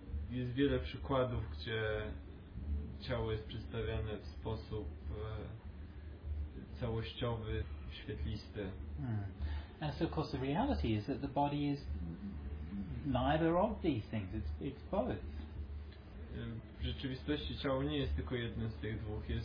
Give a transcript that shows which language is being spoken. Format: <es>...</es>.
<pl>Jest wiele przykładów, gdzie ciało jest przedstawiane w sposób całościowy, świetlisty.</pl> <en>And so, of course, the reality is that the body is neither of these things. It's both.</en> <pl>W rzeczywistości ciało nie jest tylko jednym z tych dwóch.</pl>